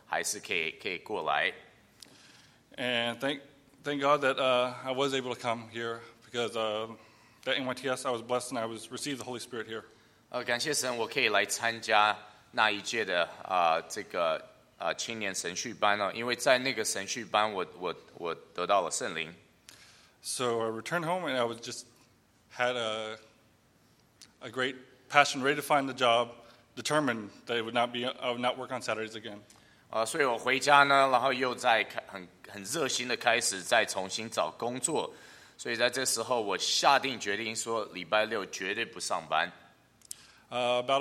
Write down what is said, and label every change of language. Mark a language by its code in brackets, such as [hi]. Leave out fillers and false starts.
[zh] 所以在那时候呢，我好像记得有几个弟兄打电话给，应该是Raymond传道还是谁，然后就是让我还是可以过来。 [en] And thank God that I was able to come here because at NYTS I was blessed and I was received the Holy Spirit here. [zh] 感谢神，我可以来参加那一届的青年神训班哦，因为在那个神训班，我得到了圣灵。 [en] So I returned home and I was just had a great passion, ready to find the job, determined that it would not be I would not work on Saturdays again. [zh] 所以我回家呢，然后又再很热心的开始再重新找工作。所以在这时候，我下定决定说礼拜六绝对不上班。 [en] About